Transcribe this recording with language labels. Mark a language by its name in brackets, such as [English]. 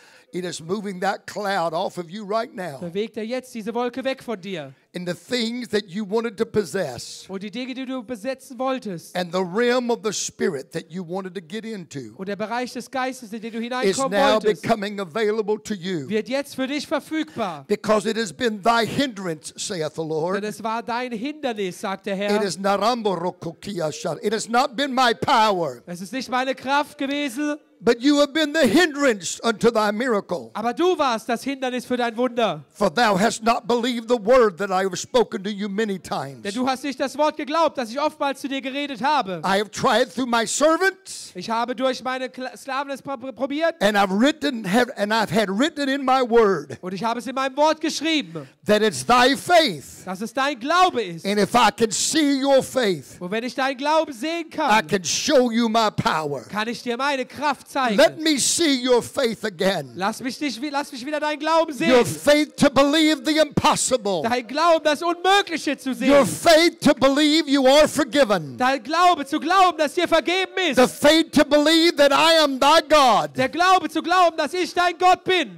[English] It is moving that cloud off of you right now. [German] Bewegt er jetzt diese Wolke weg von dir. [English] And the things that you wanted to possess, [German] und die Dinge, die du besetzen wolltest, [English] and the realm of the spirit that you wanted to get into, [German] und der Bereich des Geistes, in den du hineinkommen wolltest, [English] is now becoming available to you. [German] Wird jetzt für dich verfügbar. [English] Because it has been thy hindrance, saith the Lord. [German] Denn es war dein Hindernis, sagt der Herr. [English] It is narambarokokiashar. It has not been my power. [German] Es ist nicht meine Kraft gewesen. [English] But you have been the hindrance unto thy miracle. [German] Aber du warst das Hindernis für dein Wunder. [English] For thou hast not believed the word that I have spoken to you many times. [German] Denn du hast nicht das Wort geglaubt, das ich oftmals zu dir geredet habe. [English] I have tried through my servant. [German] Ich habe durch meine Sklaven es probiert. [English] And I've had written in my word. [German] Und ich habe es in meinem Wort geschrieben. [English] That it's thy faith. [German] Dass es dein Glaube ist. [English] And if I can see your faith. [German] Und wenn ich dein Glauben sehen kann. [English] I can show you my power. [German] Kann ich dir meine Kraft. [English] Let me see your faith again. [German] Lass mich wieder deinen Glauben sehen. [English] Your faith to believe the impossible. [German] Dein Glauben, das Unmögliche zu sehen. [English] Your faith to believe you are forgiven. [German] Dein Glaube, zu glauben, dass dir vergeben ist. [English] The faith to believe that I am thy God. [German] Der Glaube, zu glauben, dass ich dein Gott bin.